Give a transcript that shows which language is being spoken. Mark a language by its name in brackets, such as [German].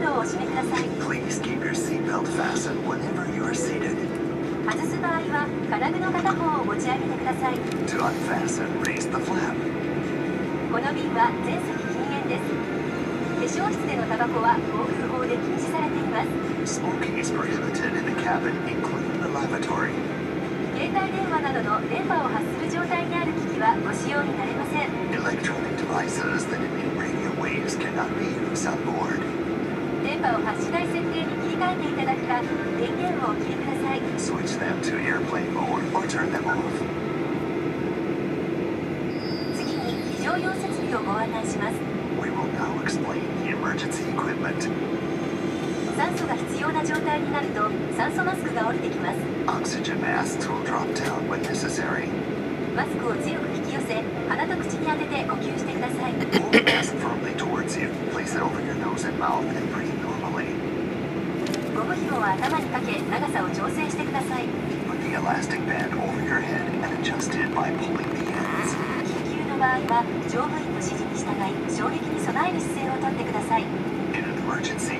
[English] Please keep your seatbelt fastened whenever you are seated. [Japanese] 外す場合は金具の片方を持ち上げてください。 [English] To unfasten, raise the flap. [Japanese] この便は全席禁煙です。化粧室でのタバコは航空法で禁止されています。 [English] Smoking is prohibited in the cabin, including the lavatory. [Japanese] 携帯電話などの電波を発する状態にある機器はご使用になれません。 [English] Electronic devices that emit radio waves cannot be used on board. [Japanese] 電波を発しない設定に切り替えていただくか、電源をお切りください。 [English] Switch them to airplane mode or turn them off. [Japanese] 次に、非常用設備をご案内します。 [English] We will now explain the emergency equipment. [Japanese] 酸素が必要な状態になると酸素マスクが降りてきます。 [English] Oxygen masks will drop down when necessary. [Japanese] マスクを強く引き寄せ鼻と口に当てて呼吸してください。 [English] Hold the mask firmly towards you. Place it over your nose and mouth and breathe normally. [Japanese] ゴム紐は頭にかけ長さを調整してください。 [English] Put the elastic band over your head and adjust it by pulling the ends. [Japanese] 緊急の場合は乗務員の指示に従い衝撃に備える姿勢をとってください。